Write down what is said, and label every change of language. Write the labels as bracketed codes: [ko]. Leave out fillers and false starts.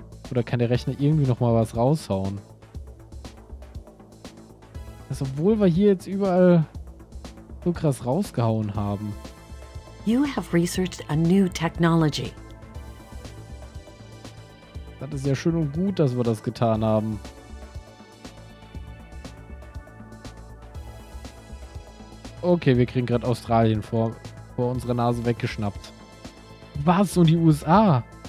[de] Oder kann der Rechner irgendwie nochmal was raushauen? Also, obwohl wir hier jetzt überall so krass rausgehauen haben. [en] You have researched a new technology. [de] Das ist ja schön und gut, dass wir das getan haben. Okay, wir kriegen gerade Australien vor unserer Nase weggeschnappt. Was? Und die USA?